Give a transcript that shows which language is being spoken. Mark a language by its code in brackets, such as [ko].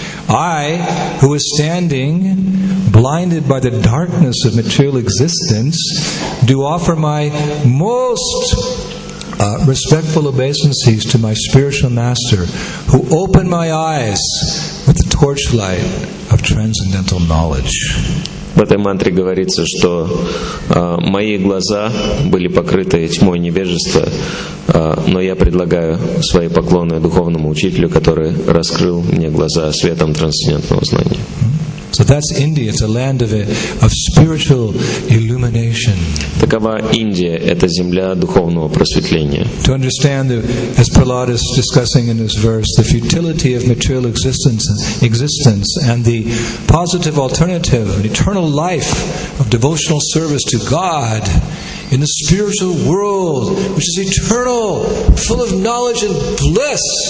[en] I, who was standing blinded by the darkness of material existence, do offer my most respectful obeisances to my spiritual master, who opened my eyes with the torchlight of transcendental knowledge. [ru] В этой мантре говорится, что мои глаза были покрыты тьмой невежества, но я предлагаю свои поклоны духовному учителю, который раскрыл мне глаза светом трансцендентного знания. [en] So that's India. It's a land of spiritual illumination. [ru] Такова Индия, это земля духовного просветления. [en] To understand, as Prahlad is discussing in his verse, the futility of material existence and the positive alternative, an eternal life of devotional service to God, in the spiritual world, which is eternal, full of knowledge and bliss.